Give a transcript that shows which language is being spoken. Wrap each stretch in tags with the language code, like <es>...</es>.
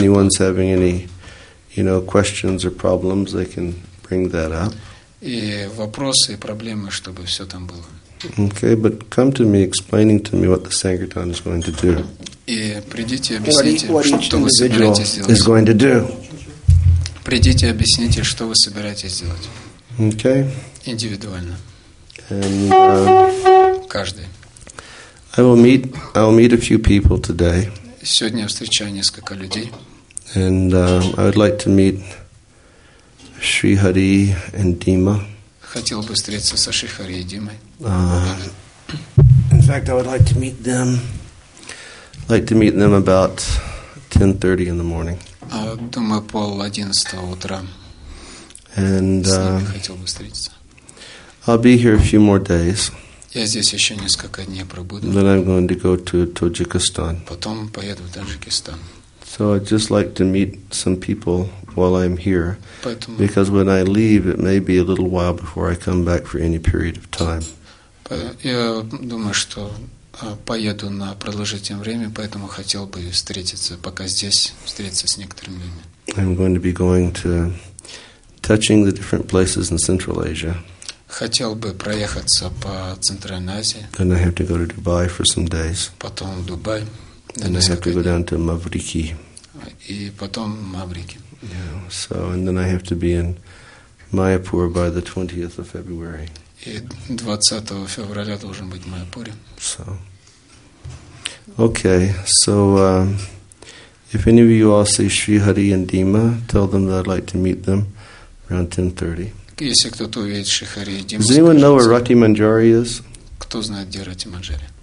<en>If anyone's having any, you know, questions or problems, they can. Bring that up.</en> <ru>И вопросы, и проблемы, чтобы все там было.</ru> <en>Okay, but come to me, explaining to me what the Sankirtan is going to do.</en> <ru>И придите, объясните, что вы собираетесь сделать.</ru> <en>Is going to do.</en> <ru>Придите, объясните, что вы собираетесь сделать.</ru> <en>Okay.</en> <ru>Индивидуально.</ru> <en>And</en> <ru>каждый.</ru> <en>I will meet a few people today.</en> <ru>Сегодня я встречаю несколько людей.</ru> <en>And I would like to meet. Shri Hari and Dima.</en> <ru>Хотел бы встретиться со Шри Хари и Димой.</ru> <en>In fact, I would like to meet them. Like to meet them about 10:30 in the morning.</en> <ru>Думаю, 10:30 утра.</ru> <en>And</en> <ru>хотел бы встретиться.</ru> <en>I'll be here a few more days.</en> <ru>Я здесь еще несколько дней пробуду.</ru> <en>Then I'm going to go to Tajikistan.</en> <ru>Потом поеду в Таджикистан.</ru> <en>So I'd just like to meet some people while I'm here.</en> <ru>Поэтому,</ru> <en>because when I leave, it may be a little while before I come back for any period of time.</en> <ru>Я думаю, что поеду на продолжительное время, поэтому хотел бы встретиться, пока здесь, встретиться с некоторыми людьми.</ru> <en>I'm going to be going to touching the different places in Central Asia.</en> <ru>Хотел бы проехаться по Центральной Азии.</ru> <en>Then I have to go to Dubai for some days.</en> <ru>Потом в Дубай.</ru> <en>Then I have to go down to Маврики.</en> <ru>И потом Маврики.</ru> <en>Yeah. So and then I have to be in Mayapur by the 20th of February.</en> <ru>И 20 февраля должен быть в Майапуре.</ru> <en>So. Okay. So if any of you all see Shri Hari and Dima, tell them that I'd like to meet them around 10:30.</en> <ru>Если кто-то увидит Шри Хари и Диму.</ru> <en>Does anyone know where Rati Manjari is?</en> <ru>Кто знает, где Рати Манджари?</ru>